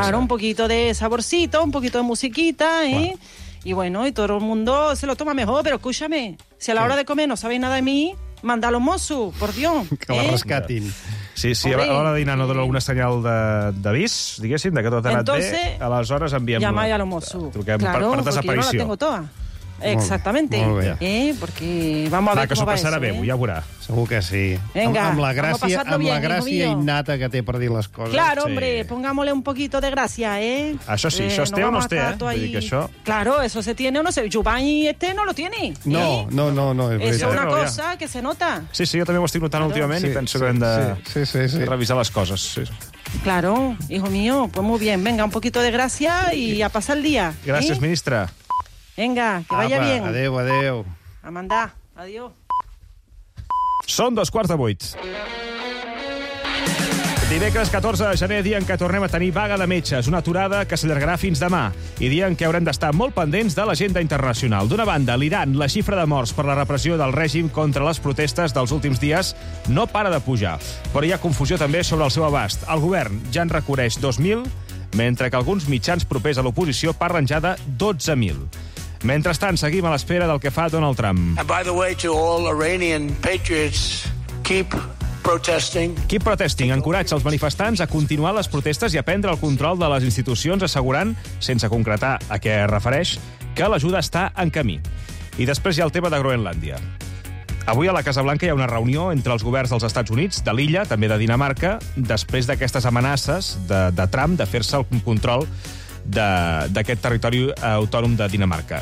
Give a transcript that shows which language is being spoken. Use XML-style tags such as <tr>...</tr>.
<es>Claro, un poquito de saborcito, un poquito de musiquita, ¿eh? Y bueno, y todo el mundo se lo toma mejor, pero escúchame, si a la hora de comer no sabéis nada de mí, manda a los mossos, por Dios.</es> <ca>Que la rescatin. Sí, sí, a l'hora de dinar no dona alguna senyal d'avís, diguéssim, que tot ha anat bé, aleshores enviem-lo.</ca> <es>Llamai a los mossos. Claro, porque yo no la tengo toda. Exactamente.</es> <ca>Molt bé.</ca> <es>Porque vamos a ver que cómo va eso.</es> <ca>Va, que s'ho passarà bé, ja segur que sí.</ca> <es>Venga,</es> <ca>amb la gràcia, amb la gràcia innata que té per dir les coses.</ca> <es>Claro, sí. Hombre, pongámosle un poquito de gracia, ¿eh?</es> <ca>Això sí, això es té o no es té, ¿eh? Vull dir que això...</ca> <es>Claro, eso se tiene o no se... Giovanni este no lo tiene. No, ¿sí? No. Es una cosa que se nota.</es> <ca>Sí, sí, jo també ho estic notant últimament i penso que hem de revisar les coses, sí.</ca> <es>Claro, hijo mío, pues muy bien. Venga, un poquito de gracia y a pasar el día. Gracias, ¿eh? Ministra. Venga, que vaya apa, bien.</es> <ca>Adeu, adeu.</ca> <es>A mandar. Adiós.</es> <ca>Són 7:45. Dimecres 14 de gener, dia en què tornem a tenir vaga de metges, una aturada que s'allargarà fins demà, i dia en què haurem d'estar molt pendents de l'agenda internacional. D'una banda, l'Iran, la xifra de morts per la repressió del règim contra les protestes dels últims dies, no para de pujar. Però hi ha confusió també sobre el seu abast. El govern ja en reconeix 2.000, mentre que alguns mitjans propers a l'oposició parlen ja de 12.000. Mentrestant, seguim a l'espera del que fa Donald Trump.</ca> <en>And by the way, to all Iranian patriots, keep... Keep protesting</en> <ca>encoratja els manifestants a continuar les protestes i a prendre el control de les institucions, assegurant, sense concretar a què es refereix, que l'ajuda està en camí. I després hi ha el tema de Groenlàndia. Avui a la Casa Blanca hi ha una reunió entre els governs dels Estats Units, de l'illa, també de Dinamarca, després d'aquestes amenaces de Trump de fer-se el control d'aquest territori autònom de Dinamarca.</ca>